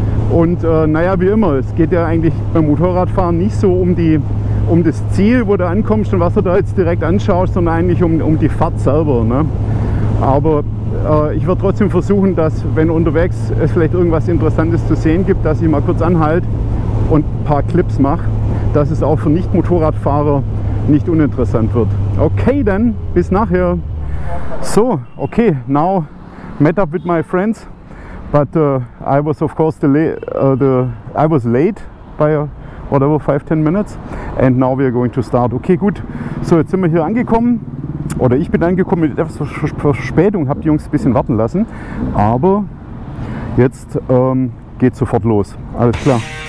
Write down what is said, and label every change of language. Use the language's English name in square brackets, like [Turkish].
[German] Und wie immer, es geht ja eigentlich beim Motorradfahren nicht so um das Ziel, wo du ankommst und was du da jetzt direkt anschaust, sondern eigentlich um die Fahrt selber. Ne? Aber ich werde trotzdem versuchen, dass, wenn unterwegs es vielleicht irgendwas Interessantes zu sehen gibt, dass ich mal kurz anhalte und ein paar Clips mache, dass es auch für Nicht-Motorradfahrer nicht uninteressant wird. Okay, dann, bis nachher. [English] So, okay, now met up with my friends, but I was of course I was late by whatever 5-10 minutes, and now we are going to start. [German] Okay, gut, so jetzt sind wir hier angekommen, oder ich bin angekommen mit etwas Verspätung, hab die Jungs ein bisschen warten lassen, aber jetzt geht's sofort los, alles klar.